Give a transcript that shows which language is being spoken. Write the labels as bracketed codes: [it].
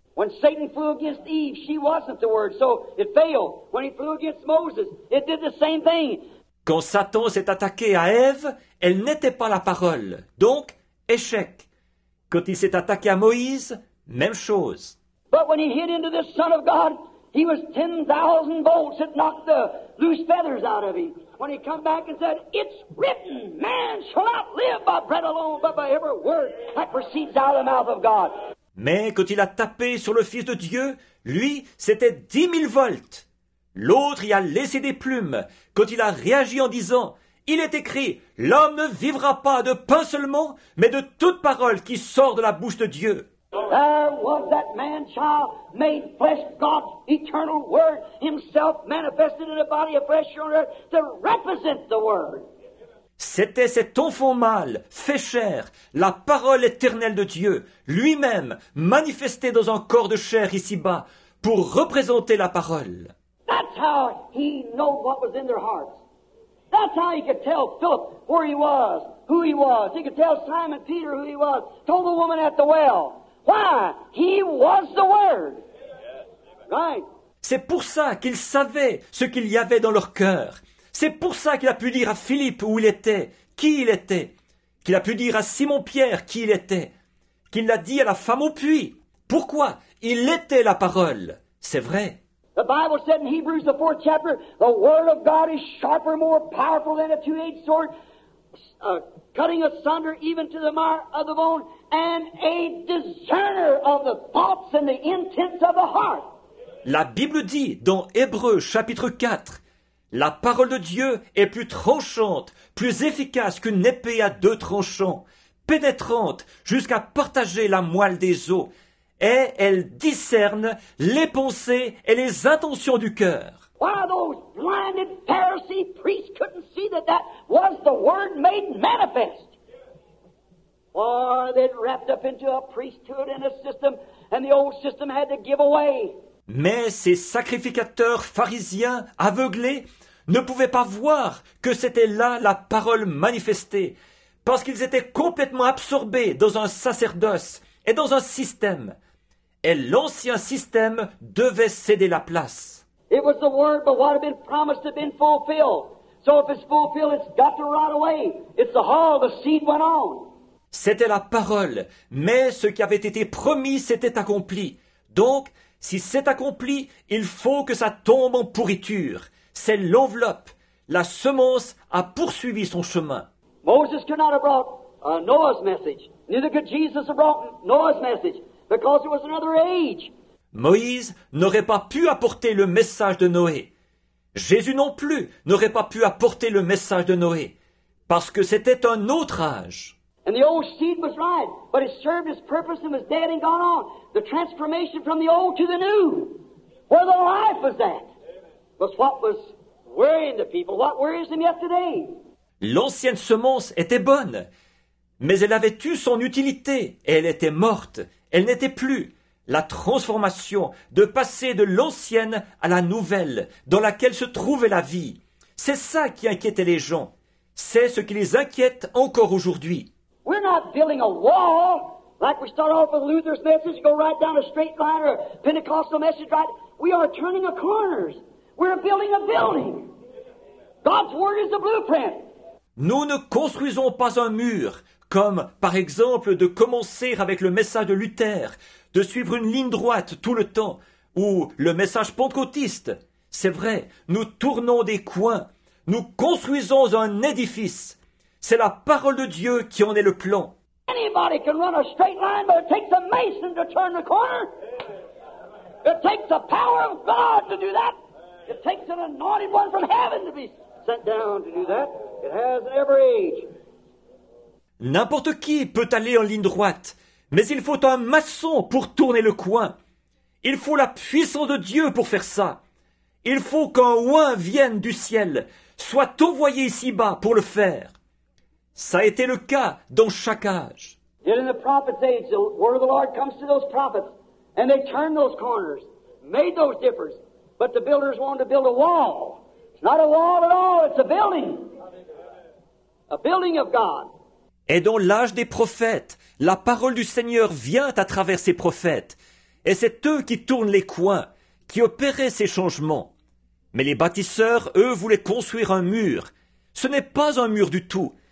[en] When Satan flew against Eve, she wasn't the word, so it failed. When he flew against Moses, it did the same thing. [fr] Quand Satan s'est attaqué à Ève, elle n'était pas la parole, donc échec. Quand il s'est attaqué à Moïse, même chose. [en] But when he hit into the Son of God, he was 10,000 volts that knocked the loose feathers out of him. When he come back and said, it's written, man shall not live by bread alone, but by every word that proceeds out of the mouth of God. [fr] Mais quand il a tapé sur le Fils de Dieu, lui, c'était 10,000 volts. L'autre y a laissé des plumes. Quand il a réagi en disant, il est écrit, l'homme ne vivra pas de pain seulement, mais de toute parole qui sort de la bouche de Dieu. [en] There was that man-child made flesh, God's eternal word, himself manifested in a body of flesh on earth to represent the word. [fr] C'était cet enfant mâle, fait chair, la parole éternelle de Dieu, lui-même, manifesté dans un corps de chair ici-bas, pour représenter la parole. [en] That's how he knew what was in their hearts. That's how he could tell Philip where he was, who he was. He could tell Simon Peter who he was. Told the woman at the well. Why? He was the Word. Right? [fr] C'est pour ça qu'il savait ce qu'il y avait dans leur cœur. C'est pour ça qu'il a pu dire à Philippe où il était, qui il était, qu'il a pu dire à Simon-Pierre qui il était, qu'il l'a dit à la femme au puits. Pourquoi? Il était la parole. C'est vrai. [en] The Bible said in Hebrews, the fourth chapter, the word of God is sharper, more powerful than a two-edged sword, cutting asunder even to the marrow of the bone, and a discerner of the thoughts and the intents of the heart. [fr] La Bible dit dans Hébreux chapitre 4, la parole de Dieu est plus tranchante, plus efficace qu'une épée à deux tranchants, pénétrante jusqu'à partager la moelle des os, et elle discerne les pensées et les intentions du cœur. [en] Why those blinded Pharisee priests couldn't see that that was the word made manifest? Or they'd wrapped up into a priesthood and a system, and the old system had to give away. [fr] Mais ces sacrificateurs pharisiens aveuglés ne pouvaient pas voir que c'était là la parole manifestée, parce qu'ils étaient complètement absorbés dans un sacerdoce et dans un système. Et l'ancien système devait céder la place. [en] It was the word, but what had been promised had been fulfilled. So if it's fulfilled, it's got to rot away. It's the hull, the seed went on. [fr] C'était la parole, mais ce qui avait été promis s'était accompli. Donc, si c'est accompli, il faut que ça tombe en pourriture. C'est l'enveloppe. La semence a poursuivi son chemin. [en] Moses could not have brought Noah's message. Neither could Jesus have brought Noah's message. Because it was another age. [fr] Moïse n'aurait pas pu apporter le message de Noé. Jésus non plus n'aurait pas pu apporter le message de Noé. Parce que c'était un autre âge. [en] And the old seed was right, but it served its purpose and was dead and gone on. The transformation from the old to the new. Where the life was at. Was what was worrying the people. What worries them yet today. [fr] L'ancienne semence était bonne. Mais elle avait eu son utilité et elle était morte. Elle n'était plus la transformation de passer de l'ancienne à la nouvelle dans laquelle se trouvait la vie. C'est ça qui inquiétait les gens. C'est ce qui les inquiète encore aujourd'hui. [en] We're not building a wall like we start off with Luther's message, go right down a straight line or Pentecostal message, right? We are turning the corners. We're building a building. God's word is the blueprint. [fr] Nous ne construisons pas un mur. Comme, par exemple, de commencer avec le message de Luther, de suivre une ligne droite tout le temps, ou le message pentecôtiste. C'est vrai, nous tournons des coins, nous construisons un édifice. C'est la parole de Dieu qui en est le plan. [en] Anybody can run a straight line, but it takes a mason to turn the corner. It takes the power of God to do that. It takes an anointed one from heaven to be sent down to do that. It has in every age. [fr] N'importe qui peut aller en ligne droite, mais il faut un maçon pour tourner le coin. Il faut la puissance de Dieu pour faire ça. Il faut qu'un oint vienne du ciel, soit envoyé ici-bas pour le faire. Ça a été le cas dans chaque âge. [en] Yet in the prophets' age, the word of the Lord comes to those prophets, and they turned those corners, made those differs. But the builders wanted to build a wall. It's not a wall at all, it's a building. A building of God. [fr] Et dans l'âge des prophètes, la parole du Seigneur vient à travers ces prophètes. Et c'est eux qui tournent les coins, qui opéraient ces changements. Mais les bâtisseurs, eux, voulaient construire un mur. Ce n'est pas un mur du tout.